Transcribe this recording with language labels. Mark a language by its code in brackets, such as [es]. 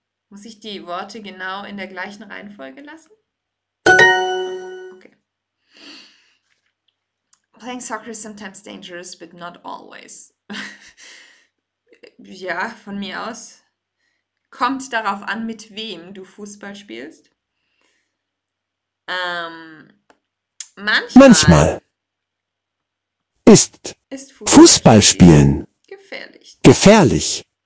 [de] Muss ich die Worte genau in der gleichen Reihenfolge lassen? Okay. [en] Playing soccer is sometimes dangerous, but not always. [de] Ja, von mir aus. Kommt darauf an, mit wem du Fußball spielst. Manchmal ist Fußballspielen gefährlich.